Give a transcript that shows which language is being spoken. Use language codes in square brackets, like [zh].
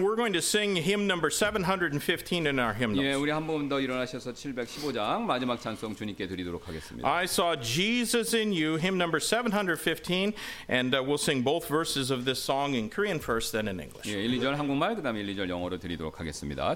[en] We're going to sing hymn number 715 in our hymnals. [ko] 예, 우리 한 번 더 일어나셔서 715장 마지막 찬송 주님께 드리도록 하겠습니다. [en] I saw Jesus in you, hymn number 715, and we'll sing both verses of this song in Korean first, then in English. [ko] 예, 1, 2절 한국말, 그 다음에 1, 2절 영어로 드리도록 하겠습니다.